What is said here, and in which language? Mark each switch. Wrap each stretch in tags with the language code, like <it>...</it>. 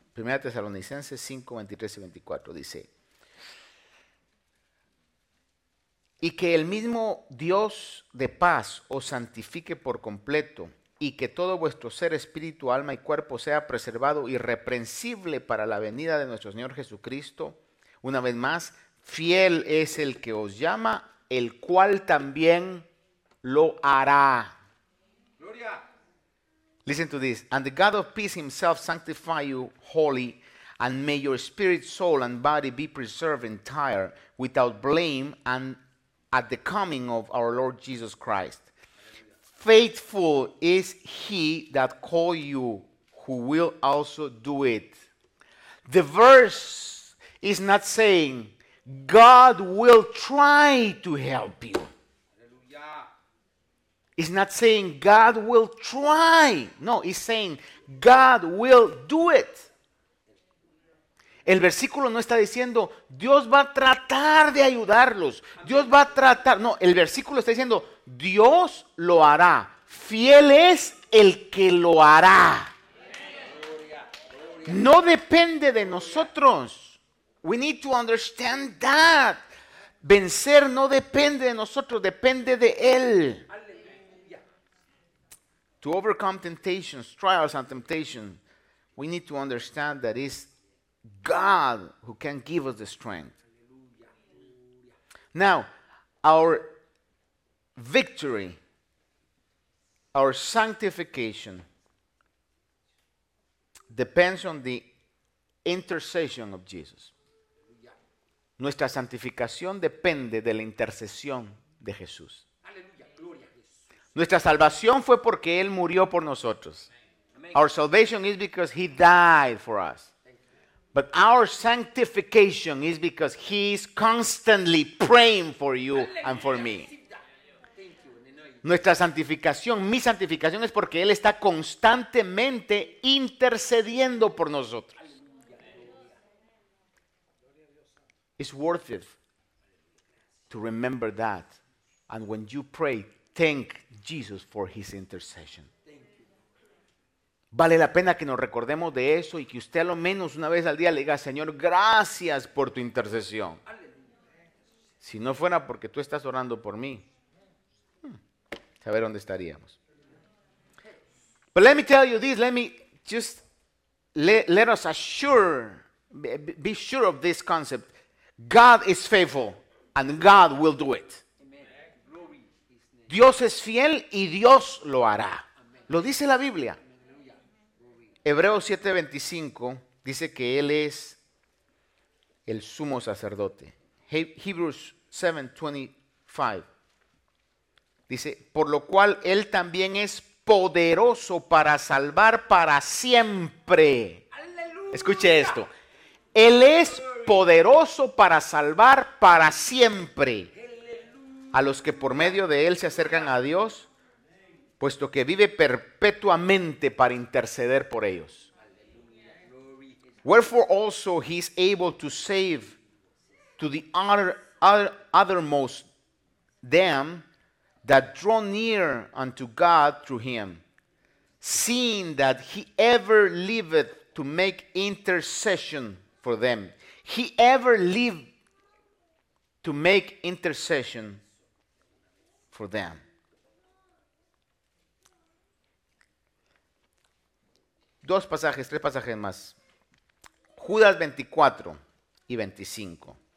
<es>1 Thessalonicenses 5:23 y 24 dice: y que el mismo Dios de paz os santifique por completo, y que todo vuestro ser, espíritu, alma y cuerpo sea preservado irreprensible para la venida de nuestro Señor Jesucristo. Una vez más, fiel es el que os llama, el cual también lo hará. Gloria.</es> <en>Listen to this. And the God of peace himself sanctify you wholly, and may your spirit, soul and body be preserved entire without blame and at the coming of our Lord Jesus Christ. Faithful is he that called you, who will also do it. The verse is not saying God will try to help you. Hallelujah. It's not saying God will try. No, it's saying God will do it.</en> <es>El versículo no está diciendo Dios va a tratar de ayudarlos. Dios va a tratar. No, el versículo está diciendo Dios lo hará. Fiel es el que lo hará. No depende de nosotros.</es> <en>We need to understand that.</en> <es>Vencer no depende de nosotros, depende de Él.</es> <en>To overcome temptations, trials and temptations, we need to understand that it's God who can give us the strength. Now, our victory, our sanctification depends on the intercession of Jesus.</en> <es>Nuestra santificación depende de la intercesión de Jesús. Aleluya, gloria a Jesús. Nuestra salvación fue porque Él murió por nosotros.</es> <en>Amen. Our salvation is because He died for us. But our sanctification is because He is constantly praying for you.</en> <es>Aleluya.</es> <en>And for me.</en> <es>Nuestra santificación, mi santificación es porque Él está constantemente intercediendo por nosotros.</es> <en>It's worth it to remember that. And when you pray, thank Jesus for His intercession.</en> <es>Vale la pena que nos recordemos de eso y que usted al menos una vez al día le diga: Señor, gracias por tu intercesión. Si no fuera porque tú estás orando por mí, saber dónde estaríamos.</es> <en>But let me tell you this. Let me just let us assure, be sure of this concept. God is faithful and God will do it.</en> <es>Dios es fiel y Dios lo hará. Lo dice la Biblia. Hebreos 7:25 dice que Él es el sumo sacerdote. Hebreos 7:25 dice: por lo cual Él también es poderoso para salvar para siempre. ¡Aleluya! Escuche esto. Él es poderoso para salvar para siempre. ¡Aleluya! A los que por medio de Él se acercan a Dios, puesto que vive perpetuamente para interceder por ellos.</es> <en>Wherefore also he is able to save to the uttermost them that draw near unto God through him, seeing that he ever liveth to make intercession for them. He ever lived to make intercession for them.</en> <es>Dos pasajes, tres pasajes más. Judas 24 y 25.</es>